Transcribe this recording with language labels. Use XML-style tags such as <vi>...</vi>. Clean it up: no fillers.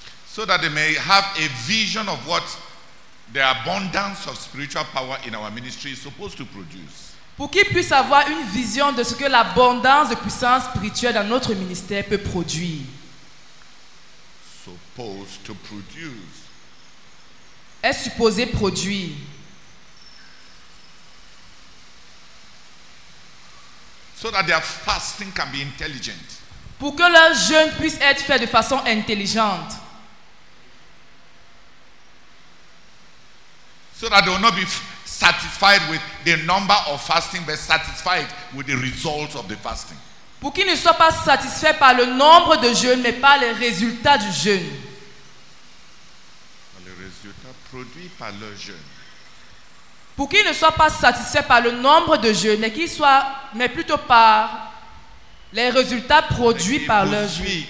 <en>So that they may have a vision of what the abundance of spiritual power in our ministry is supposed to produce.</en> <fr>Pour qu'ils puissent avoir une vision de ce que l'abondance de puissance spirituelle dans notre ministère peut produire.</fr> <en>Supposed to produce.</en> <fr>Est supposé produire.</fr> <en>So that their fasting can be intelligent.</en> <fr>Pour que leur jeûne puisse être fait de façon intelligente.</fr> <en>So that they will not be satisfied with the number of fasting, but satisfied with the results of the fasting.</en> <fr>Pour qu'ils ne soient pas satisfaits par le nombre de jeûnes, mais par les résultats du jeûne. Les résultats produits par leur jeûne. Pour qu'ils ne soient pas satisfaits par le nombre de jeûnes, mais qu'ils soient, mais plutôt par les résultats produits par leur jeûne.</fr>